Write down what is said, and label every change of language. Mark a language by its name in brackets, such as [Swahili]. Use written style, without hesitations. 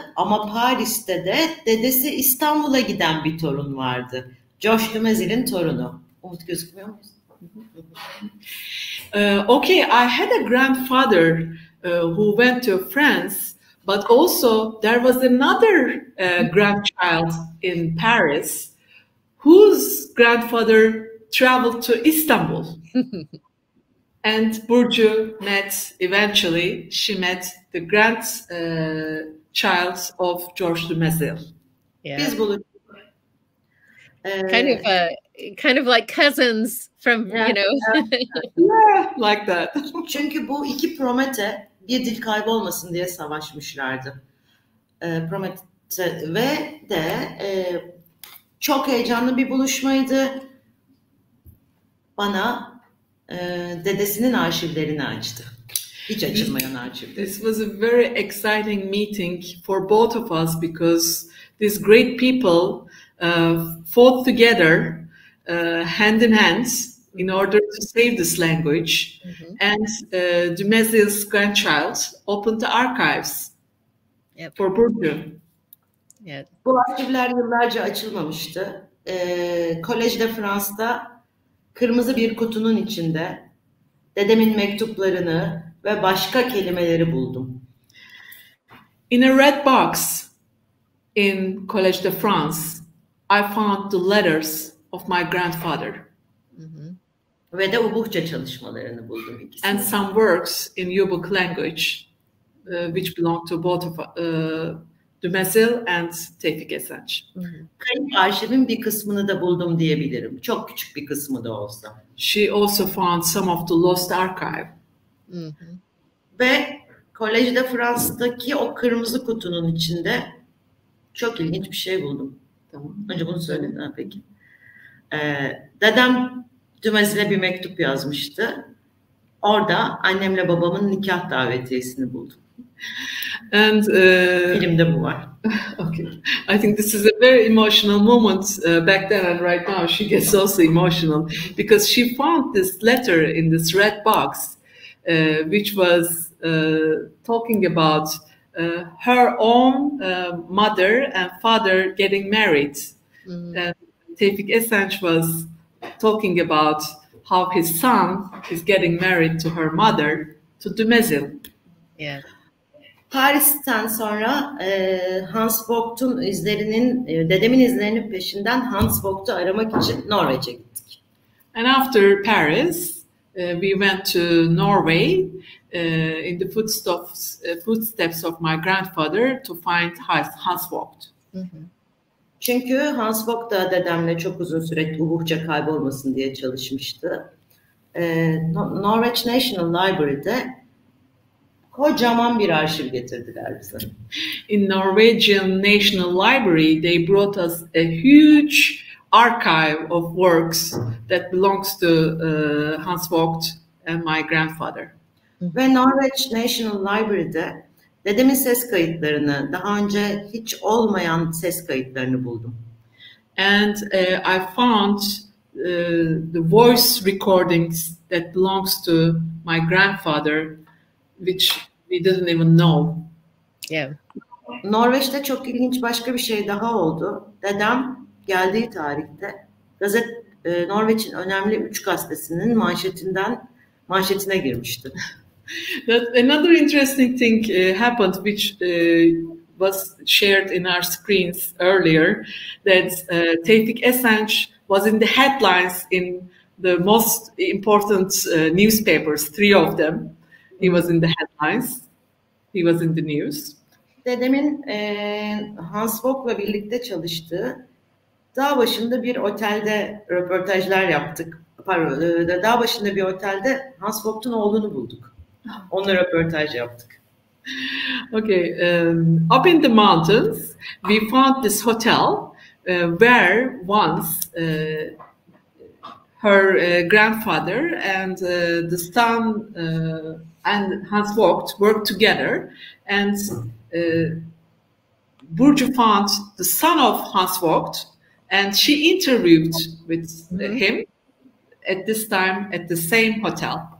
[Turkish] Ama Paris'te de dedesi İstanbul'a giden bir torun vardı. Josh Dumezil'in torunu. Umut, gözükmüyor musun? [English] Okay, I had a grandfather who went to France, but also there was another grandchild in Paris whose grandfather traveled to Istanbul. And Burcu met, eventually she met the grandchild of George Dumézil. Kind of like cousins from, yeah, you know. Yeah, like that. [Turkish] Çünkü bu iki Promete bir dil kaybolmasın diye savaşmışlardı. Promete ve de çok heyecanlı bir buluşmaydı. Bana dedesinin arşivlerini açtı. Hiç açılmayan arşivleri. [English] This was a very exciting meeting for both of us because these great people fought together hand in hand in order to save this language, and Dumézil's grandchild opened the archives for Burcu. Yeah. [Turkish] Bu arşivler yıllarca açılmamıştı. Kolejde Fransa'da kırmızı bir kutunun içinde dedemin mektuplarını ve başka kelimeleri buldum. [English] In a red box in Collège de France, I found the letters of my grandfather. [Turkish] Ve de Ubykhça çalışmalarını buldum ikisini. [English] And some works in Ubykh language, which belong to both of Dumézil and Tevifik Esenç. [Turkish] Kayıp arşivin bir kısmını da buldum diyebilirim. Çok küçük bir kısmı da olsa. [English] She also found some of the lost archive. [Turkish] Ve Collège de France'daki o kırmızı kutunun içinde çok ilginç bir şey buldum. Tamam. Önce bunu söyledim. Ha, peki. Dedem Dumézil'e bir mektup yazmıştı. Orada annemle babamın nikah davetiyesini buldum. [English] And [Turkish] filmde bu var. [English] Okay. I think this is a very emotional moment back then and right now. She gets also emotional because she found this letter in this red box, which was talking about her own mother and father getting married. Tevfik Esenç was talking about how his son is getting married to her mother, to Dumézil. Yeah. [Turkish] Paris'ten sonra Hans Vogt'un izlerinin, dedemin izlerinin peşinden Hans Vogt'u aramak için Norveç'e gittik. [English] And after Paris, we went to Norway in the footsteps of my grandfather to find Hans Vogt. [Turkish] Çünkü Hans Vogt da dedemle çok uzun süre Ubykhça kaybolmasın diye çalışmıştı. Norwich National Library'de kocaman bir arşiv getirdiler bize. [English] In Norwegian National Library, they brought us a huge archive of works that belongs to Hans Vogt and my grandfather. [Turkish] Ve Norwich National Library'de dedemin ses kayıtlarını, daha önce hiç olmayan ses kayıtlarını buldum. [English] And I found the voice recordings that belongs to my grandfather, which we didn't even know. Yeah. [Turkish] Norveç'te çok ilginç başka bir şey daha oldu. Dedem geldiği tarihte Norveç'in önemli 3 gazetesinin manşetine girmişti. [English] That another interesting thing happened, which was shared in our screens earlier, that Tevfik Esenç was in the headlines in the most important newspapers, three of them. He was in the headlines. He was in the news. [Turkish] Dedemin Hans Vogt'la birlikte çalıştığı dağ başında bir otelde röportajlar yaptık. Dağ başında bir otelde Hans Vogt'un oğlunu bulduk. Onunla röportaj yaptık. [English] Okay, up in the mountains, we found this hotel where once her grandfather and the son and Hans Vogt worked together, and Burcu found the son of Hans Vogt, and she interviewed with him at this time at the same hotel.